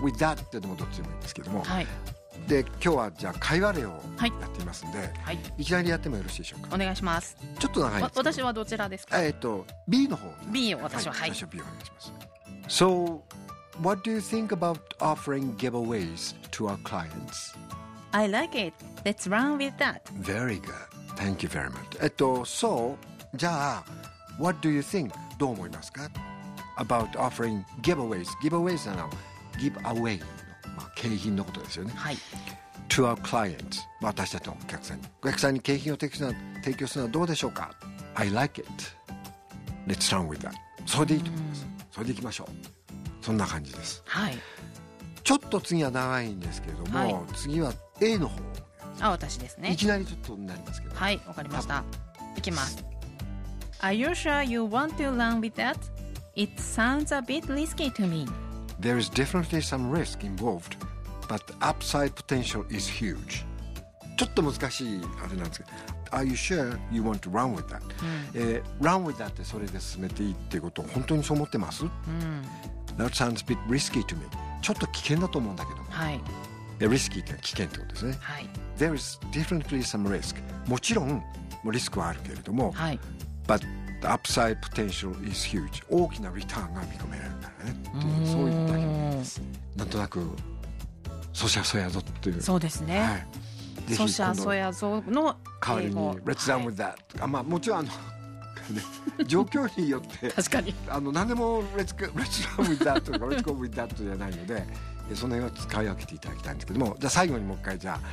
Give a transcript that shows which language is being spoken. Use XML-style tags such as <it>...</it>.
<en>With that</en> <ja>ってのもどっちでもいいんですけども。はい。で今日はじゃあ会話例をやってみますんで、はい。いきなりやってもよろしいでしょうか。お願いします。ちょっと長いです。私はどちらですか。 B の方。 B を私は、はい、私は B をお願いします。</ja> <en>So, what do you think about offering giveaways to our clients? I like it. Let's run with that. Very good. Thank you very much. So, じゃあ what do you think?</en> <ja>どう思いますか?</ja> <en>About offering giveaways. Giveaways are now give away</en> <ja>の、まあ、景品のことですよね。はい。</ja> <en>To our clients.</en> <ja>私たちのお客さんに。お客さんに景品を提供するのはどうでしょうか?</ja> <en>I like it. Let's run with that.</en> <ja>それでいいと思います。それでいきましょう。そんな感じです。はい。ちょっと次は長いんですけれども、はい、次は A の方。あ、私ですね。いきなりちょっとなりますけど。はい、わかりました。いきます。</ja> <en>Are you sure you want to run with that? It sounds a bit risky to me. There is definitely some risk involved, but the upside potential is huge.</en> <ja>ちょっと難しいあれなんですけど。</ja> <en>Are you sure you want to run with that?、</en> <ja>うん、</ja> <en>run with that</en> <ja>ってそれで進めていいっていうことを本当にそう思ってます、うん、</ja> <en>That sounds a bit risky to me.</en> <ja>ちょっと危険だと思うんだけど。はい。リスキーって危険ってことですね、はい、</ja> <en>There is definitely some risk.</en> <ja>もちろんリスクはあるけれども、はい、</ja> <en>But the upside potential is huge.</en> <ja>大きなリターンが見込められるからね、うん、そういった意味です。なんとなくソシャソヤゾっていう、そうですね、はい、ソシャソヤゾの代わりに</ja> <en>Let's run with that、</en> <ja>はい、まあ、もちろんあの状況によって確かにあの何でも</ja> <en>Let's run with that</en> <ja>とか</ja> <en>Let's go with that</en> <ja>じゃないのでその辺は使い分けていただきたいんですけども、じゃあ最後にもう一回じゃあ、</ja>